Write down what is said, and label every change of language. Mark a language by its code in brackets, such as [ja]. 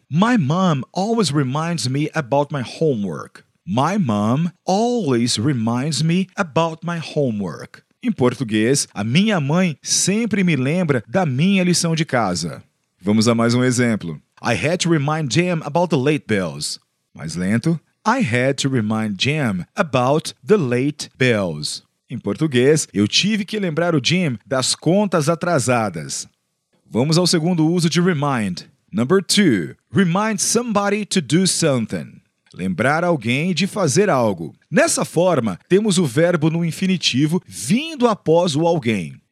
[en] My mom always reminds me about my homework. My mom always reminds me about my homework. [pt] Em português, a minha mãe sempre me lembra da minha lição de casa. Vamos a mais um exemplo. [en] I had to remind Jim about the late bills. [pt] Mais lento. [en] I had to remind Jim about the late bills. [pt] Em português, eu tive que lembrar o Jim das contas atrasadas. Vamos ao segundo uso de [en] remind. Number 2. Remind somebody to do something. [pt] Lembrar alguém de fazer algo. Nessa forma, temos o verbo no infinitivo vindo após o alguém.